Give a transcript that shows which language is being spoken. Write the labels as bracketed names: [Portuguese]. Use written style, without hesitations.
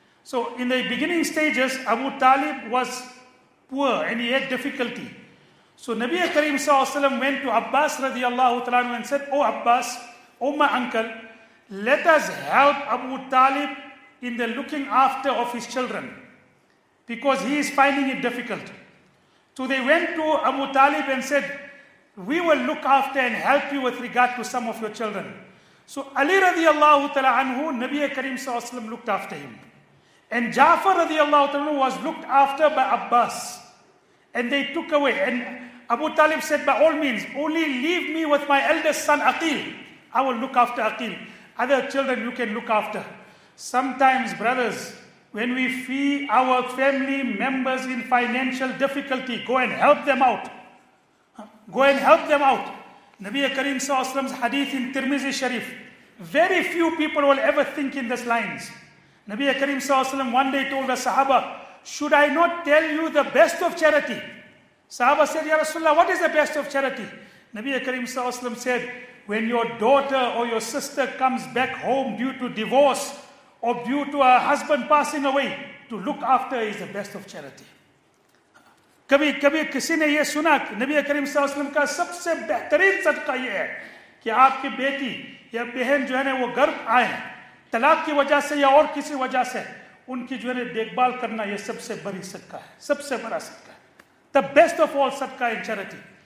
[English] So in the beginning stages Abu Talib was poor and he had difficulty so نبی کریم صلی اللہ علیہ وسلم وینٹ ٹو عباس رضی اللہ تعالیٰ عنہ and said O Abbas O my uncle let us help Abu Talib in the looking after of his children because he is finding it difficult so they went to Abu Talib and said we will look after and help you with regard to some of your children So Ali radiallahu ta'ala anhu, Nabi Kareem sallallahu alayhi wa sallam looked after him. And Ja'far radiallahu ta'ala anhu was looked after by Abbas. And they took away. And Abu Talib said, by all means, only leave me with my eldest son Aqil. I will look after Aqil. Other children you can look after. Sometimes, brothers, when we see our family members in financial difficulty, go and help them out. Go and help them out. Nabi Kareem Sallallahu Alaihi Wasallam's hadith in Tirmizi Sharif. Very few people will ever think in these lines. Nabi Kareem Sallallahu Alaihi Wasallam one day told the Sahaba, should I not tell you the best of charity? Sahaba said, Ya Rasulullah, what is the best of charity? Nabi Kareem Sallallahu Alaihi Wasallam said, when your daughter or your sister comes back home due to divorce or due to her husband passing away, to look after her is the best of charity. [Urdu] کبھی کبھی کسی نے یہ سنا نبی کریم صلی اللہ علیہ وسلم کا سب سے بہترین صدقہ یہ ہے کہ آپ کی بیٹی یا بہن جو ہے نا وہ گھر آئیں طلاق کی وجہ سے یا اور کسی وجہ سے ان کی جو ہے نا دیکھ بھال کرنا یہ سب سے بڑی صدقہ ہے سب سے بڑا صدقہ ہے دا بیسٹ آف آل صدقہ ان چیریٹی